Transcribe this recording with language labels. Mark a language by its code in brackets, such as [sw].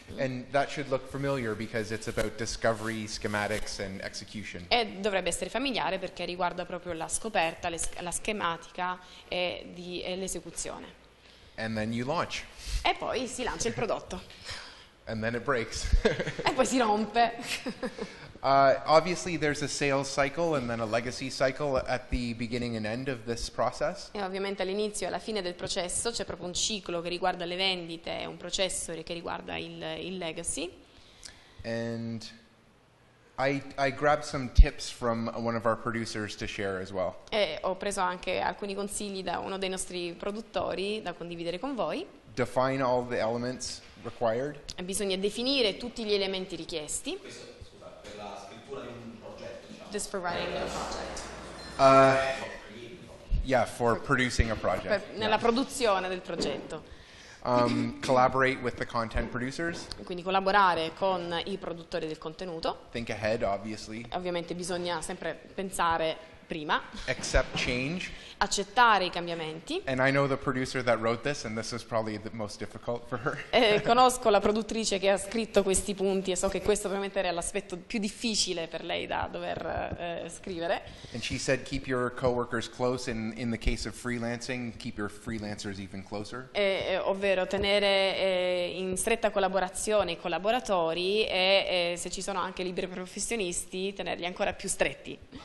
[en] And that should look familiar because it's about discovery, schematics and execution. [it] E dovrebbe essere familiare perché riguarda proprio la scoperta, la schematica e l'esecuzione. [en] And then you launch. [it] E poi si lancia il prodotto. [en] And then it breaks. [it] E poi si rompe. [en] Obviously there's a sales cycle and then a legacy cycle at the beginning and end of this process. [it] E ovviamente all'inizio e alla fine del processo c'è proprio un ciclo che riguarda le vendite e un processo che riguarda il legacy. [en] And I grabbed some tips from one of our producers to share as well. [it] E ho preso anche alcuni consigli da uno dei nostri produttori da condividere con voi. [en] Define all the elements required. [it] E bisogna definire tutti gli elementi richiesti. Questo, scusa, per la scrittura di un progetto, diciamo. [en] Just for writing a project. Yeah, for producing a project. [it] Nella produzione del progetto. [en] Collaborate with the content producers. [it] Quindi collaborare con i produttori del contenuto. [en] Think ahead, obviously. [it] Ovviamente bisogna sempre pensare prima. [en] Accept change. [it] Accettare i cambiamenti. [en] And I know the producer that wrote this, and this is probably the most difficult for her. [it] Conosco la produttrice che ha scritto questi punti e so che questo ovviamente era l'aspetto più difficile per lei da dover scrivere. [en] And she said keep your coworkers close in the case of freelancing, keep your freelancers even closer. [it] Ovvero tenere in stretta collaborazione i collaboratori e se ci sono anche liberi professionisti, tenerli ancora più stretti.